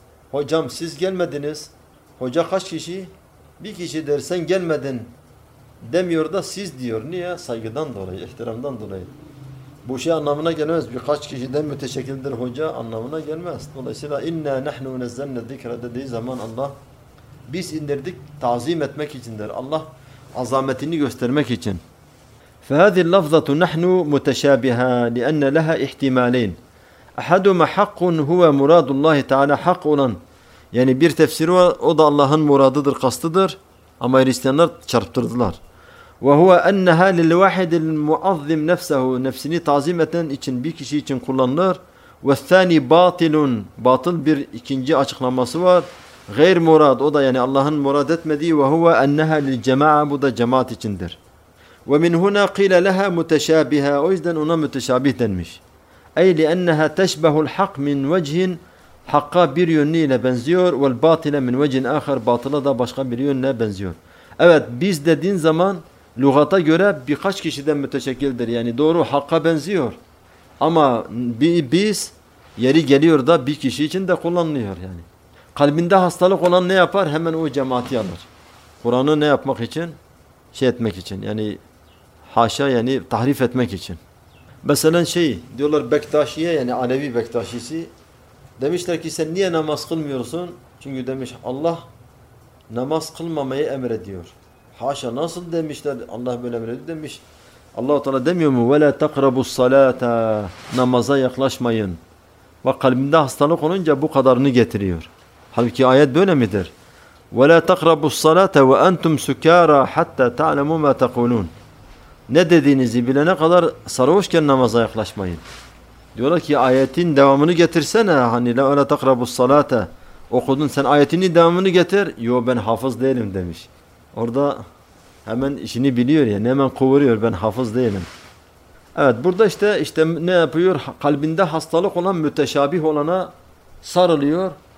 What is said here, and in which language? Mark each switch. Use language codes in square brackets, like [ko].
[tr] Hocam siz gelmediniz. Hoca kaç kişi? Bir kişi der, sen gelmedin demiyor da siz diyor. Niye? Saygıdan dolayı, ihtiramdan dolayı. Bu şey anlamına gelmez. Birkaç kişiden müteşekkildir hoca anlamına gelmez. Dolayısıyla [ar] inna nahnu nazzalna zikre [tr] dediği zaman Allah biz indirdik tazim etmek içindir. Allah azametini göstermek için. [ar] فهذه اللفظة نحن متشابهة لأن لها احتمالين. أحدهما حق هو مراد الله تعالى حق olan. [tr] Yani bir tefsir var, o da Allah'ın muradıdır, kastıdır. Ama Hristiyanlar çarptırdılar. [ar] وهو أنها للواحد المعظم نفسه, [tr] نفسini تعظيم eden için bir kişi için kullanılır. [ar] والثاني باطل, [tr] باطل bir ikinci açıklaması var. [ar] غير مراد, [tr] o da yani Allah'ın murad etmediği. [ar] وهو أنها للجماعة, [tr] bu da cemaat içindir. [ar] ومن هنا قيل لها متشابهة, [tr] o yüzden ona müteşabih denmiş. [ar] أي لأنها تشبه الحق من وجه, حقا [tr] bir yönüyle benziyor. [ar] والباطل من وجه آخر, [tr] batıla da başka bir yönüne benziyor. Evet, biz dediğin zaman lügata göre birkaç kişiden müteşekkildir. Yani doğru, hakka benziyor. Ama biz yeri geliyor da bir kişi için de kullanılıyor yani. Kalbinde hastalık olan ne yapar? Hemen o cemaati alır. Kur'an'ı ne yapmak için? Şey etmek için. Yani haşa, yani tahrif etmek için. Mesela şey diyorlar Bektaşi'ye, yani Alevi Bektaşisi. Demişler ki sen niye namaz kılmıyorsun? Çünkü demiş Allah namaz kılmamayı emrediyor. Haşa, nasıl demişler Allah böyle emredi demiş. Allah-u Teala demiyor mu? [ar] وَلَا تَقْرَبُ الصَّلَاةَ, [tr] namaza yaklaşmayın. Bak, kalbinde hastalık olunca bu kadarını getiriyor. Halbuki ayet böyle midir? [ar] وَلَا تَقْرَبُ الصَّلَاةَ وَاَنْتُمْ سُكَارَ حَتَّى تَعْلَمُوا مَا تَقُولُونَ, [tr] ne dediğinizi bilene kadar sarhoşken namaza yaklaşmayın. Diyorlar ki ayetin devamını getirsene. Hani [ar] وَلَا تَقْرَبُ الصَّلَاةَ, [tr] okudun sen ayetinin devamını getir. Yo, ben hafız değilim demiş. Orada hemen işini biliyor yani, hemen kuvuruyor, ben hafız değilim. Evet, burada işte ne yapıyor? Kalbinde hastalık olan, müteşabih olana sarılıyor.